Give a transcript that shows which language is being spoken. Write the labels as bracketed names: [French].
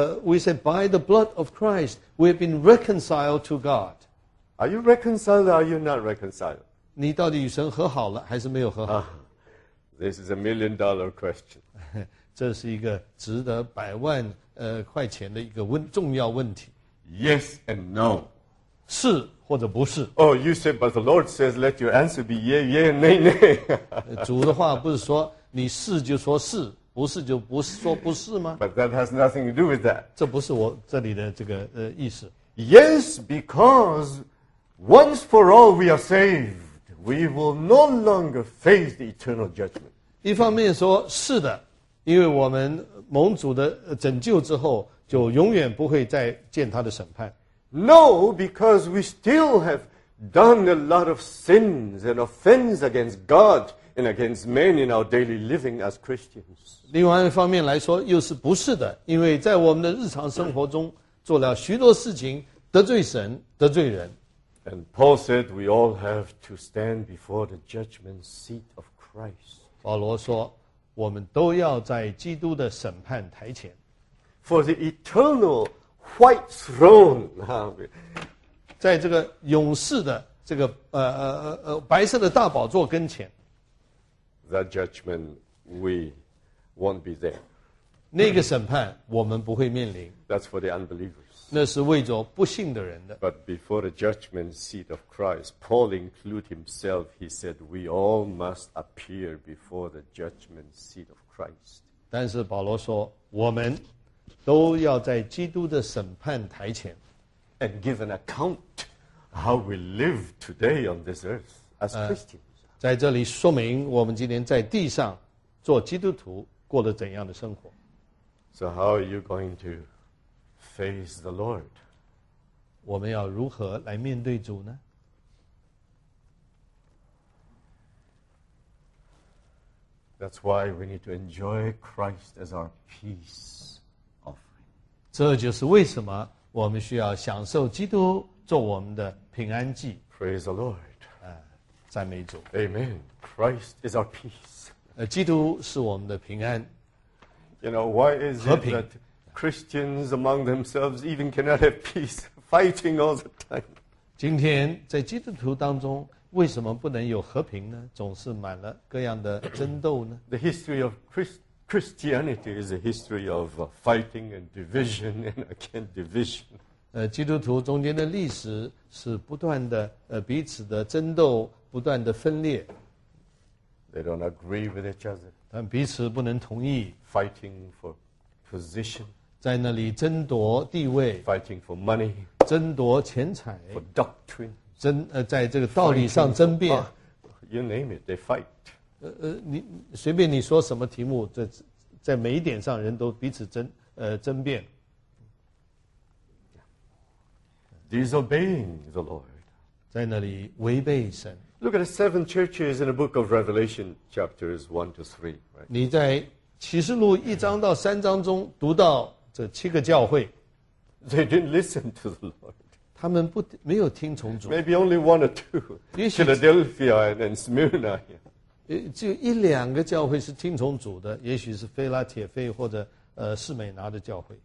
[English] we said, by the blood of Christ, we have been reconciled to God. Are you reconciled or are you not reconciled? [Chinese] 你到底与神和好了还是没有和好、 [English] This is $1 million question. [Chinese] 这是一个值得百万块钱的一个重要问题。 [English] Yes and no. [Chinese] 是或者不是。 [English] Oh, you said, but the Lord says, let your answer be yea, yea, nay, nay. [Chinese] 主的话不是说你是就说是。不是就不是说不是吗 [English] ？But that has nothing to do with that. [Chinese] 这不是我这里的这个意思。 [English] Yes, because once for all we are saved, we will no longer face the eternal judgment. [Chinese] 一方面说是的，因为我们蒙主的拯救之后，就永远不会再见他的审判。 [English] No, because we still have done a lot of sins and offense against God. And against men in our daily living as Christians. [Chinese] 另外一方面来说，又是不是的，因为在我们的日常生活中做了许多事情得罪神、得罪人。 [English] And Paul said, "We all have to stand before the judgment seat of Christ." [Chinese] 保罗说，我们都要在基督的审判台前。 [English] For the eternal white throne, [Chinese] 在这个永世的这个白色的大宝座跟前。 [English] That judgment, we won't be there. [Chinese] 那个审判我们不会面临。 [English] That's for the unbelievers. [Chinese] 那是为着不信的人的。 [English] But before the judgment seat of Christ, Paul included himself. He said, "We all must appear before the judgment seat of Christ." [Chinese] 但是保罗说，我们都要在基督的审判台前 [English] ，and give an account how we live today on this earth as Christians. [Chinese] 在这里说明我们今天在地上做基督徒过了怎样的生活。 [English] So how are you going to face the Lord? [Chinese] 我们要如何来面对主呢 [English] ？That's why we need to enjoy Christ as our peace offering. [Chinese] 这就是为什么我们需要享受基督做我们的平安祭。 [English] Praise the Lord. [Chinese] 赞美主。 [English] Amen. Christ is our peace. [Chinese] 基督是我们的平安。 [English] You know, why is it that Christians among themselves even cannot have peace, fighting all the time? [Chinese] 今天在基督徒当中，为什么不能有和平呢？总是满了各样的争斗呢 [English] ？The history of Christianity is a history of fighting and division and again division. [Chinese] 基督徒中间的历史是不断的彼此的争斗。不断的分裂 [English] ，They don't agree with each other. [Chinese] 但彼此不能同意 [English] ，Fighting for position. [Chinese] 在那里争夺地位 [English] ，Fighting for money. [Chinese] 争夺钱财 [English] ，For doctrine. [Chinese] 在这个道理上争辩 [English] ，You name it, they fight. [Chinese] 你随便你说什么题目，在每一点上人都彼此争辩 [English] ，Disobeying the Lord. [Chinese] 在那里违背神。 [English] Look at the seven churches in the book of Revelation, chapters 1 to 3. [Chinese] 你在启示录一章到三章中读到这七个教会。 [English] They didn't listen to the Lord. [Chinese] 他们不没有听从主。 [English] Maybe only one or two. Philadelphia and Smyrna. [Chinese] 就一两个教会是听从主的，也许是腓拉铁腓或者士美拿的教会。